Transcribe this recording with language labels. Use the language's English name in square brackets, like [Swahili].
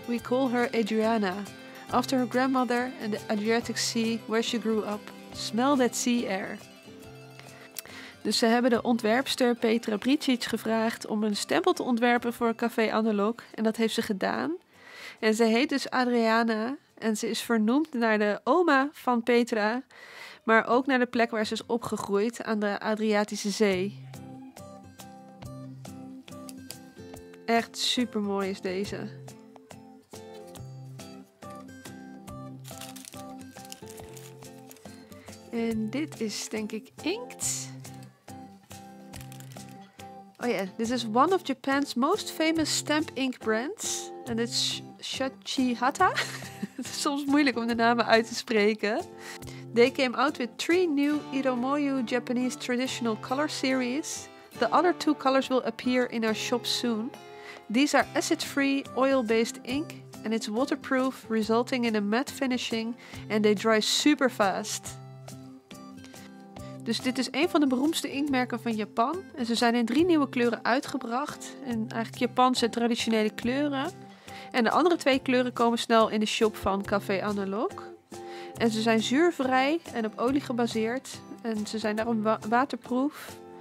[English] We call her Adriana, after her grandmother and the Adriatic Sea where she grew up. Smell that sea air. [Dutch] Dus ze hebben de ontwerpster Petra Bricic gevraagd om een stempel te ontwerpen voor Café Analog. En dat heeft ze gedaan. En ze heet dus Adriana. En ze is vernoemd naar de oma van Petra. Maar ook naar de plek waar ze is opgegroeid, aan de Adriatische Zee. Echt supermooi is deze. En dit is denk ik inkt. Oh ja, dit is [English] one of Japan's most famous stamp ink brands. [Dutch] En dit is Shachihata. Het is soms moeilijk om de namen uit te spreken. [English] They came out with three new Iromoyu Japanese traditional color series. The other two colors will appear in our shop soon. These are acid-free, oil-based ink. And it's waterproof, resulting in a matte finishing. And they dry super fast. [Dutch] Dus dit is een van de beroemdste inktmerken van Japan. En ze zijn in drie nieuwe kleuren uitgebracht. En eigenlijk Japanse traditionele kleuren. En de andere twee kleuren komen snel in de shop van Café Analog. En ze zijn zuurvrij en op olie gebaseerd. En ze zijn daarom waterproof.